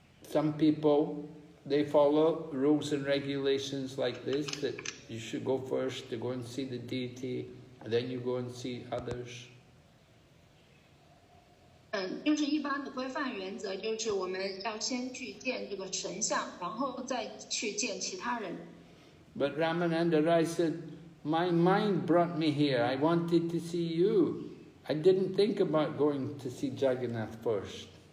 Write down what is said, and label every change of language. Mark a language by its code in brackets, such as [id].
[en] Some people, they follow rules and regulations like this, that you should go first to go and see the deity, and then you go and see others. [zh] 就是一般的规范原则，就是我们要先去见这个神像，然后再去见其他人。 [en] But Ramananda Rai said, my mind brought me here. I wanted to see you. I didn't think about going to see Jagannath first.